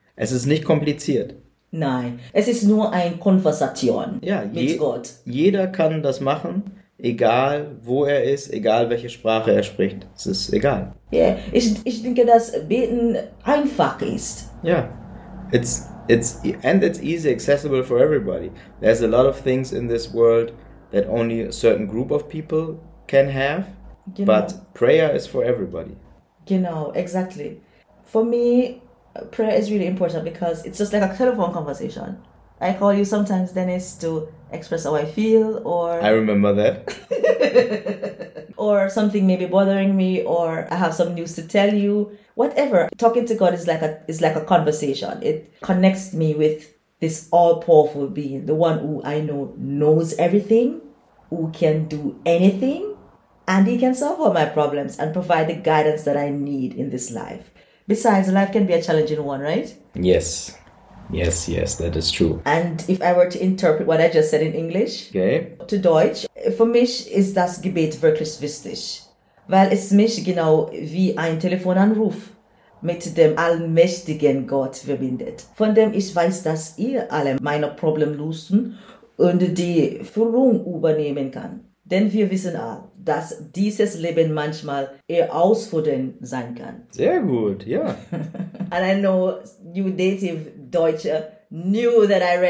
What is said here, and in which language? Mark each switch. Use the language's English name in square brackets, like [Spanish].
[German] Es ist nicht kompliziert. Nein, es ist nur ein Konversation, ja, mit Gott. Jeder kann das machen. Egal, wo er ist, egal, welche Sprache er spricht, es ist egal. Ja, yeah, ich denke, dass Beten einfach ist. Ja, yeah. [English] it's easy, accessible for everybody. There's a lot of things in this world that only a certain group of people can have, genau. But prayer is for everybody. Genau, exactly. For me, prayer is really important because it's just like a telephone conversation. I call you sometimes Dennis to express how I feel, I remember that. or something may be bothering me, or I have some news to tell you. Whatever. Talking to God is like a conversation. It connects me with this all-powerful being, the one who I know knows everything, who can do anything, and he can solve all my problems and provide the guidance that I need in this life. Besides, life can be a challenging one, right? Yes, that is true. And if I were to interpret what I just said in English Okay. to Deutsch, [German] für mich ist das Gebet wirklich wichtig, weil es mich genau wie ein Telefonanruf mit dem allmächtigen Gott verbindet, von dem ich weiß, dass er alle meine Probleme lösen und die Führung übernehmen kann. Denn wir wissen alle, dass dieses Leben manchmal herausfordernd sein kann. Sehr gut, ja. [English] And I know you native Deutsche knew that